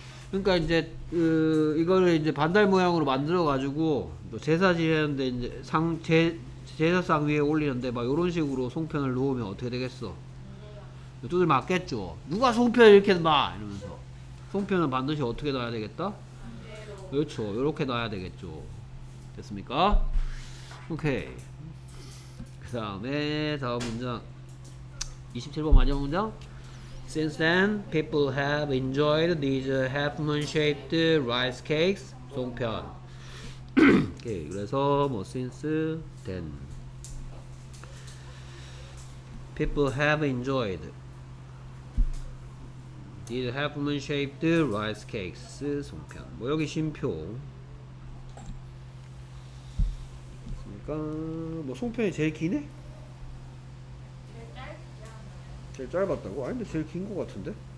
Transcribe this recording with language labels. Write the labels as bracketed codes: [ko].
[ko] 그러니까 이제 이거를 이제 반달 모양으로 만들어 가지고 제사 지내는데 이제 상 제사상 위에 올리는데 막 이런 식으로 송편을 놓으면 어떻게 되겠어? 뚜들 맞겠죠. 누가 송편 이렇게 놔 이러면서 송편은 반드시 어떻게 놔야 되겠다? 그렇죠. 이렇게 놔야 되겠죠. 됐습니까? 오케이. 그 다음에 다음 문장 27번 마지막 문장. [en] Since then, people have enjoyed these half moon shaped rice cakes. [ko] 송편. 오케이. 그래서 뭐 [en] since then, people have enjoyed these half moon shaped rice cakes. [ko] 송편. 뭐 여기 쉼표. 그러니까 뭐 송편이 제일 기네? 제일 짧았다고? 아닌데 제일 긴 것 같은데?